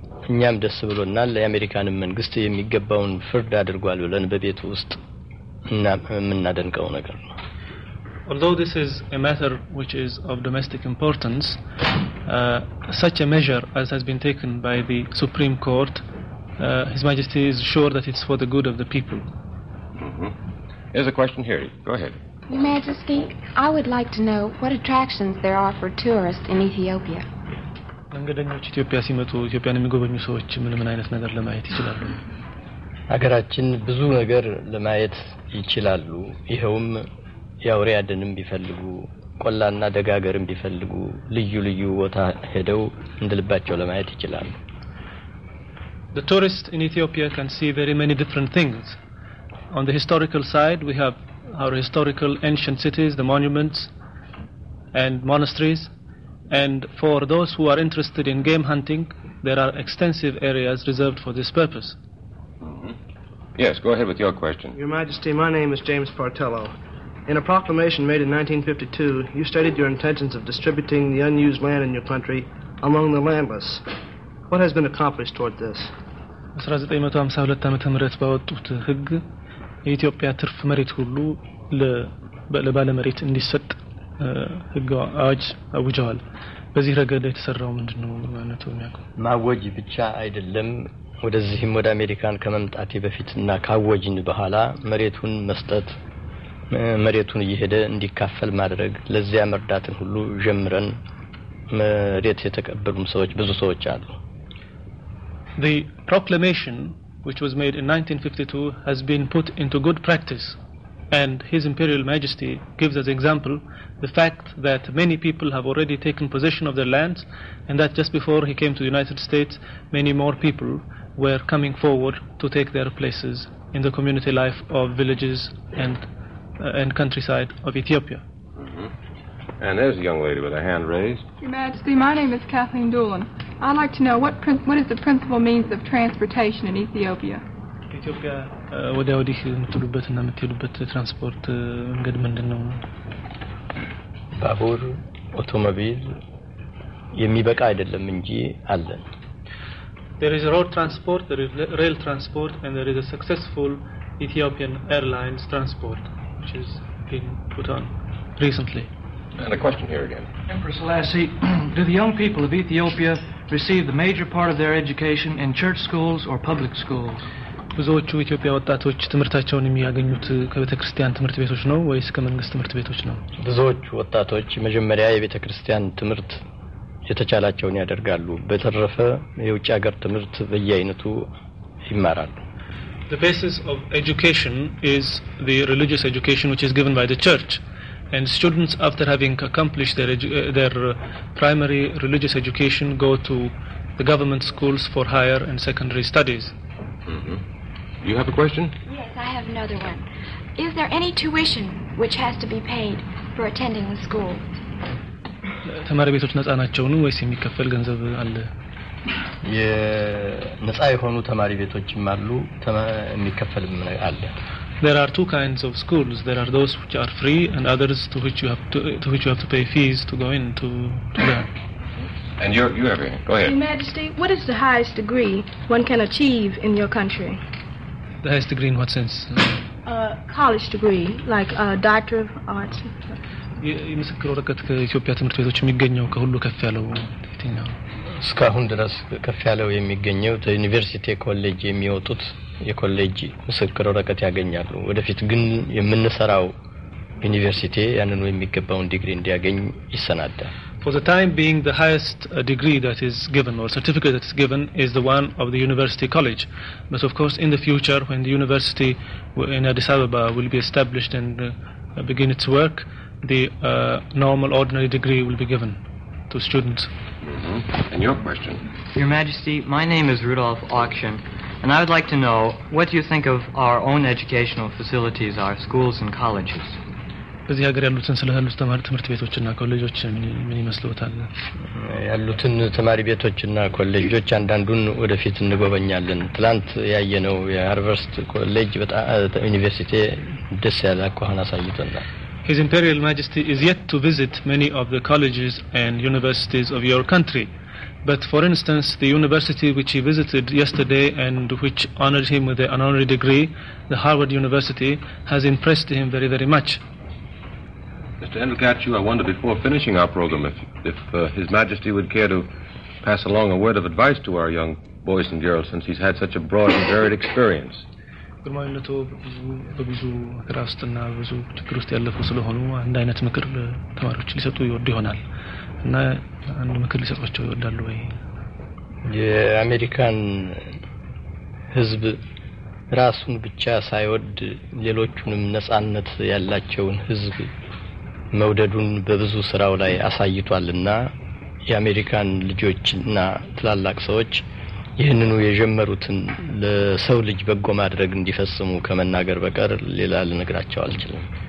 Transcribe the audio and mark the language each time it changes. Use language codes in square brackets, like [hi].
[am] እኛም ደስ ብሎናል። ለአሜሪካንም መንግስት የሚገባውን ፍርድ አድርጓል ብለን በቤት ውስጥ እናደንቀው ነገር ነው። [en] Although this is a matter which is of domestic importance, such a measure as has been taken by the Supreme Court, His Majesty is sure that it's for the good of the people. There's a question here. Go ahead. Your Majesty, I would like to know what attractions there are for tourists in Ethiopia. [am] መንገደኞች ኢትዮጵያ ሲመጡ ኢትዮጵያን የሚጎበኙ ሰዎች ምን አይነት ነገር ለማየት ይችላሉ? ሀገራችን ብዙ ነገር ለማየት ይችላሉ። ይሄውም ያውሬ አደንም ቢፈልጉ ቆላና ደጋገርም ቢፈልጉ ልዩ ልዩ ቦታ ሄደው እንድልባቸው ለማየት ይችላሉ። [en] The tourist in Ethiopia can see very many different things. On the historical side, we have our historical ancient cities, the monuments and monasteries. And for those who are interested in game hunting, there are extensive areas reserved for this purpose. Yes, go ahead with your question. Your Majesty, my name is James Partello. In a proclamation made in 1952, you stated your intentions of distributing the unused land in your country among the landless. What has been accomplished toward this? [am] 1952 ዓመተ ምህረት ባወጡት ህግ የኢትዮጵያ ትርፍ መሬት ሁሉ ለባለ መሬት እንዲሰጥ ህግ አዋጅ አውጀዋል። በዚህ ረገድ የተሰራው ምንድነው ማለት ነው? ያቆ ማወጅ ብቻ አይደለም፣ ወደዚህም ወደ አሜሪካን ከመምጣቴ በፊትና ካወጅን በኋላ መሬቱን መስጠት፣ መሬቱን እየሄደ እንዲካፈል ማድረግ፣ ለዚያ መርዳትን ሁሉ ጀምረን መሬት የተቀበሉም ሰዎች ብዙ ሰዎች አሉ። [en] The proclamation which was made in 1952 has been put into good practice, and His Imperial Majesty gives as example the fact that many people have already taken possession of their lands, and that just before he came to the United States many more people were coming forward to take their places in the community life of villages and countryside of Ethiopia. Mm-hmm. And there's a young lady with a hand raised. Your Majesty, my name is Kathleen Doolin. I'd like to know what is the principal means of transportation in Ethiopia? [am] Ethiopia ወደ ወዲህ የምትሉበት እና የምትሄዱበት ትራንስፖርት መንገድ ምንድነው? ባቡር፣ አውቶሞቢል የሚበቃ አይደለም እንጂ አለ። [en] There is road transport, there is rail transport, and there is a successful Ethiopian Airlines transport which has been put on recently. And a question here again. Empress Selassie, do the young people of Ethiopia receive the major part of their education in church schools or public schools? [am] ብዙዎቹ ኢትዮጵያ ወጣቶች ትምህርታቸውን የሚያገኙት ከቤተክርስቲያን ትምህርት ቤቶች ነው ወይስ ከመንግስት ትምህርት ቤቶች ነው? ብዙዎቹ ወጣቶች መጀመሪያ የቤተክርስቲያን ትምህርት የተቻላቸውን ያደርጋሉ፣ በተረፈ የውጭ ሀገር ትምህርት በየአይነቱ ይማራሉ። [en] The basis of education is the religious education which is given by the church. And students, after having accomplished their primary religious education, go to the government schools for higher and secondary studies. Mm-hmm. You have a question? Yes, I have another one. Is there any tuition which has to be paid for attending the school? [am] ተማሪ ቤቶች ነፃ ናቸው ወይስ የሚከፈል ገንዘብ አለ? የነፃ የሆኑ ተማሪ ቤቶችም አሉ፣ የሚከፈል አለ። [en] There are two kinds of schools. There are those which are free and others to which you have to pay fees to go into to learn. And you have it. Go ahead. Your Majesty, what is the highest degree one can achieve in your country? The highest degree in what sense? College degree, like a doctor of arts. [am] የምስክር ወረቀት ከኢትዮጵያ ትምህርት ቤቶች የሚገኘው ከሁሉ ከፍ ያለው የትኛው? እስካሁን ድረስ ከፍ ያለው የሚገኘው ዩኒቨርሲቲ ኮሌጅ የሚወጡት የኮሌጅ ምስክር ወረቀት ያገኛሉ። ወደፊት ግን የምንሰራው ዩኒቨርሲቲ ያንን የሚገባውን ዲግሪ እንዲያገኝ ይሰናዳል። [en] For the time being, the highest degree that is given or certificate that is given is the one of the university college. But of course, in the future, when the university in Addis Ababa will be established and begin its work, the normal ordinary degree will be given to students. Mm-hmm. And your question? Your Majesty, my name is Rudolf Auction, and I would like to know what you think of our own educational facilities, our schools and colleges. [am] በዚህ ሀገር ያሉትን ስለሆነ ተማሪ ትምህርት ቤቶችና ኮሌጆች ምን ይመስሉታል? ያሉትን ተማሪ ቤቶችና ኮሌጆች አንዳንዱን ወደፊት እንጎበኛለን። ትላንት ያየነው የሃርቨስት ኮሌጅ በጣም ዩኒቨርሲቲ ደስ ያለ ቆሃና ሳይቶና። [en] His Imperial Majesty is yet to visit many of the colleges and universities of your country. But for instance, the university which he visited yesterday and which honored him with an honorary degree, the Harvard University, has impressed him very, very much. Mr. Endelgatchu, I wonder before finishing our program if His Majesty would care to pass along a word of advice to our young boys and girls since he's had such a broad and varied experience. [am] ግርማዊነቱ በብዙ አክራስትና ብዙ ትግል ውስጥ ያለፈ ስለሆነ አንድ አይነት ምክር ለተማሪዎች ሊሰጡ ይወድ ይሆናል እና አንድ ምክር ሊሰጣቸው ይወዳሉ ወይ? የአሜሪካን ህዝብ ራሱን ብቻ ሳይወድ ሌሎቹንም ነጻነት ያላቸውን ህዝብ መውደዱን በብዙ ስራው ላይ አሳይቷልና የአሜሪካን ልጆችና ትላላቅ ሰዎች ይህንኑ የጀመሩትን ለሰው ልጅ በጎ ማድረግ እንዲፈጽሙ ከመናገር በቀር ሌላ ልነግራቸው አልችልም።